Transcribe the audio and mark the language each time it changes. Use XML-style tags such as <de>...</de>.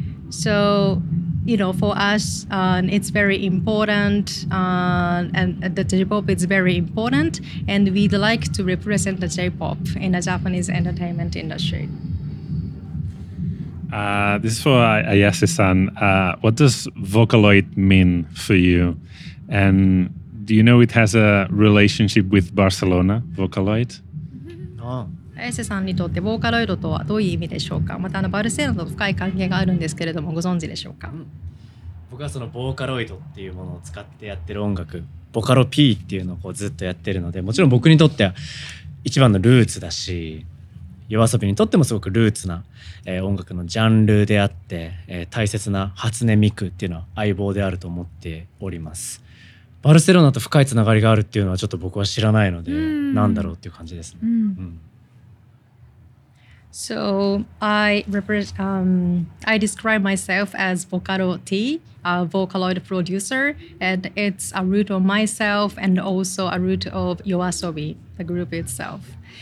<en>So, you know, for us, it's very important, and the J-pop is very important, and we'd like to represent the J-pop in the Japanese entertainment industry. This is for Ayase-san. What does Vocaloid mean for you? And do you know it has a relationship with Barcelona, Vocaloid? No.</en> <ja>エセさんにとってボーカロイドとはどういう意味でしょうか。またバルセロナと深い関係があるんですけれども、ご存知でしょうか。僕はそのボーカロイドっていうものを使ってやってる音楽、ボカロ P っていうのをこうずっとやってるので、もちろん僕にとっては一番のルーツだし、夜遊びにとってもすごくルーツな、音楽のジャンルであって、大切な初音ミクっていうのは相棒であると思っております。バルセロナと深いつながりがあるっていうのはちょっと僕は知らないので、なんだろうっていう感じですね。</ja> <en>So I describe myself as Vocaloid T, a Vocaloid producer, and it's a root of myself and also a root of YOASOBI, the group itself.</en>